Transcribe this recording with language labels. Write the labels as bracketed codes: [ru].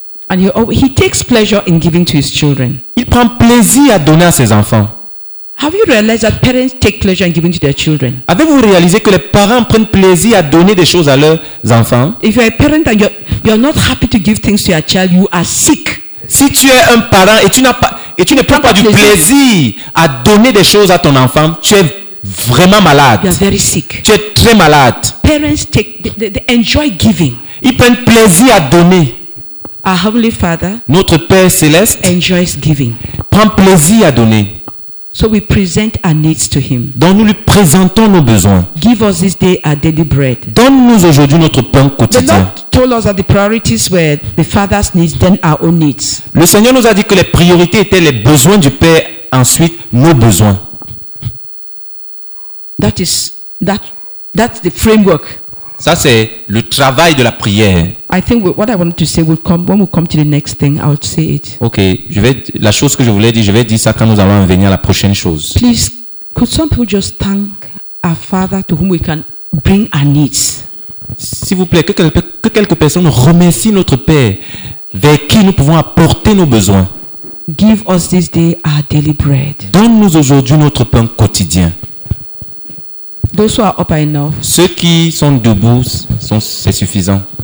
[en] And he takes pleasure in giving to his children. [fr] Il prend plaisir à donner à ses enfants. [en] Have you realized that parents take pleasure in giving to their children? [fr] Avez-vous réalisé que les parents prennent plaisir à donner des choses à leurs enfants? [en] If you're a parent and you're not happy to give things to your child, you are sick. [fr] Si tu es un parent et tu ne prends pas du plaisir à donner des choses à ton enfant, tu es vraiment malade. [en] You are very sick. [fr] Tu es très malade. [en] Parents they enjoy giving. [fr] Ils prennent plaisir à donner. [en] Our Heavenly Father, [fr] notre Père céleste, [en] enjoys giving. [fr] Prend plaisir à donner. [en] So we present our needs to him. [fr] Donc nous lui présentons nos besoins. [en] Give us this day our daily bread. [fr] Donne-nous aujourd'hui notre pain quotidien. [en] The Lord told us that the priorities were the Father's needs, then our own needs. [fr] Le Seigneur nous a dit que les priorités étaient les besoins du Père, ensuite nos besoins. [en] That's the framework. [fr] Ça c'est le travail de la prière. [en] I think what I wanted to say will come when we come to the next thing. I'll say it. [fr] Okay, je vais dire ça quand nous allons venir à la prochaine chose. [en] Please, could some people just thank our Father to whom we can bring our needs? [fr] S'il vous plaît, que quelques personnes remercient notre Père vers qui nous pouvons apporter nos besoins. [en] Give us this day our daily bread. [fr] Donne-nous aujourd'hui notre pain quotidien. [en] Those who are up are enough. [fr] Ceux qui sont debout, c'est suffisant.